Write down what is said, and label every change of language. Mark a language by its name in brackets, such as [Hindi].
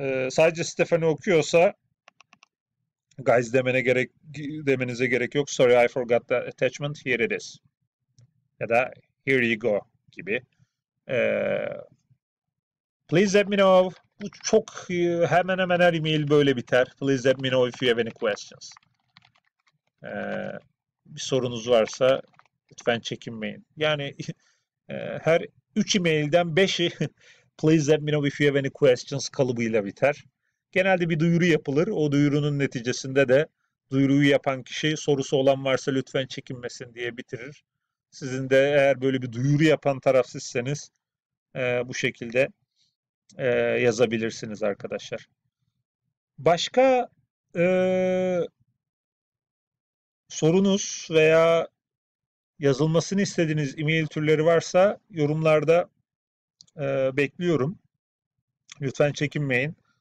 [Turkish] Sadece Stephanie okuyorsa guys demenize gerek yok. [English] Sorry I forgot the attachment. Here it is. [Turkish] Ya da [English] here you go [Turkish] gibi. [English] Please let me know. [Turkish] Bu çok hemen hemen her e-mail böyle biter. [English] Please let me know if you have any questions. [Turkish] Bir sorunuz varsa lütfen çekinmeyin. Yani her 3 e-mailden 5'i [English] Please let me know if you have any questions [Turkish] kalıbıyla biter. Genelde bir duyuru yapılır. O duyurunun neticesinde de duyuruyu yapan kişi sorusu olan varsa lütfen çekinmesin diye bitirir. Sizin de eğer böyle bir duyuru yapan tarafsızsanız bu şekilde yazabilirsiniz arkadaşlar. Başka sorunuz veya yazılmasını istediğiniz e-mail türleri varsa yorumlarda bekliyorum. Lütfen çekinmeyin.